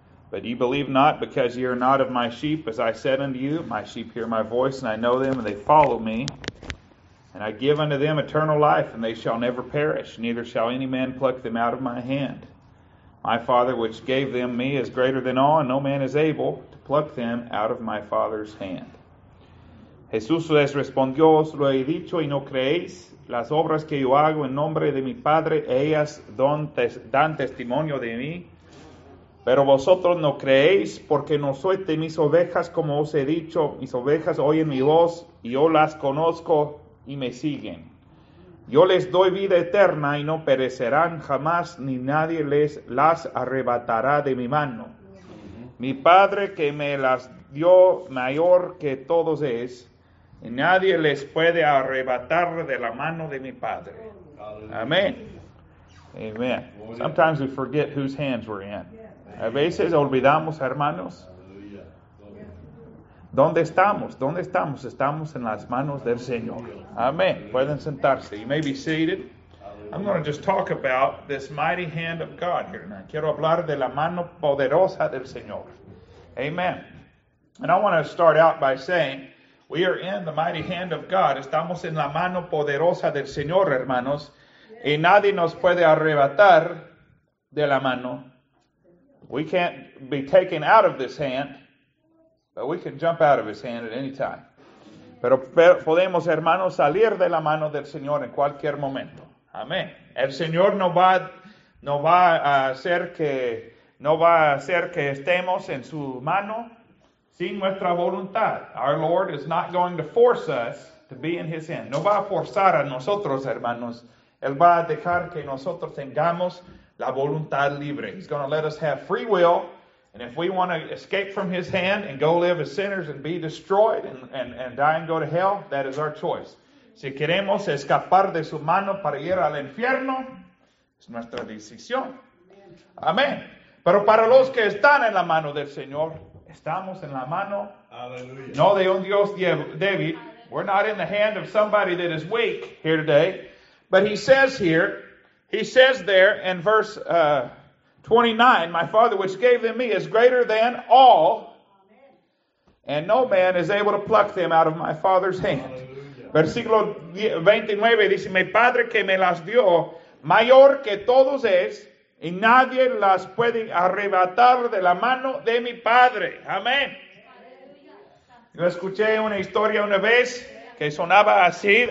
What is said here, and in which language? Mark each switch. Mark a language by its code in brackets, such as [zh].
[en] But you believe not, because ye are not of my sheep, as I said unto you, my sheep hear my voice, and I know them, and they follow me. And I give unto them eternal life, and they shall never perish, neither shall any man pluck them out of my hand. My Father, which gave them me, is greater than all, and no man is able to pluck them out of my Father's hand. [es] Jesús les respondió, os lo he dicho, y no creéis. Las obras que yo hago en nombre de mi Padre, ellas dan testimonio de mí. Pero vosotros no creéis, porque no sois de mis ovejas, como os he dicho. Mis ovejas oyen mi voz, y yo las conozco, y me siguen. Yo les doy vida eterna, y no perecerán jamás, ni nadie les las arrebatará de mi mano. Mi Padre, que me las dio, mayor que todos es, y nadie les puede arrebatar de la mano de mi Padre. Amén. Amén. [en] Sometimes we forget whose hands we're in. [es] A veces olvidamos, hermanos, ¿dónde estamos? ¿Dónde estamos? Estamos en las manos del Señor. Amén. Pueden sentarse. [en] You may be seated. I'm going to just talk about this mighty hand of God here now. [es] Quiero hablar de la mano poderosa del Señor. Amén. [en] And I want to start out by saying, we are in the mighty hand of God. [es] Estamos en la mano poderosa del Señor, hermanos. Y nadie nos puede arrebatar de la mano. [en] We can't be taken out of this hand, but we can jump out of his hand at any time. [es] Pero podemos, hermanos, salir de la mano del Señor en cualquier momento. Amén. El Señor no va a hacer que estemos en su mano sin nuestra voluntad. [en] Our Lord is not going to force us to be in his hand. [es] No va a forzar a nosotros, hermanos. Él va a dejar que nosotros tengamos la voluntad libre. [en] He's going to let us have free will. And if we want to escape from his hand and go live as sinners and be destroyed and die and go to hell, that is our choice. [es] Si queremos escapar de su mano para ir al infierno, es nuestra decisión. Amén. Pero para los que están en la mano del Señor, estamos en la mano, aleluya, no de un Dios débil. [en] We're not in the hand of somebody that is weak here today. But he says there in verse 29, my Father which gave them me is greater than all, and no man is able to pluck them out of my Father's hand. [es] Aleluya. Versículo 29 dice, mi Padre que me las dio, mayor que todos es, y nadie las puede arrebatar de la mano de mi Padre. Amén. Yo escuché una historia una vez que sonaba así.